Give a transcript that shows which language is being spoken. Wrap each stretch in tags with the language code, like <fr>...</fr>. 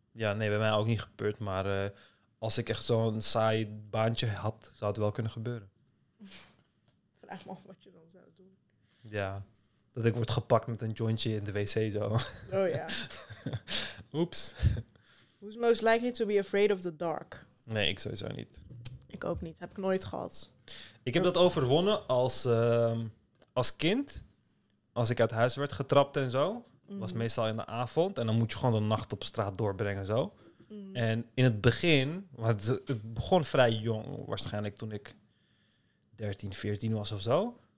<nl>Ja, nee, bij mij ook niet gebeurd. Maar als ik echt zo'n saai baantje had, zou het wel kunnen gebeuren. Vraag me af wat je dan zou doen. Ja, dat ik word gepakt met een jointje in de wc zo. Oh ja. Oeps.</nl> <en>Who's most likely to be afraid of the dark?</en> <nl>Nee, ik sowieso niet. Ik ook niet. Heb ik nooit gehad. Ik heb dat overwonnen als kind. Als ik uit huis werd getrapt en zo. Mm-hmm. Was meestal in de avond. En dan moet je gewoon de nacht op straat doorbrengen. Zo. Mm-hmm. En in het begin... Want het begon vrij jong. Waarschijnlijk toen ik 13, 14 was of zo.</nl>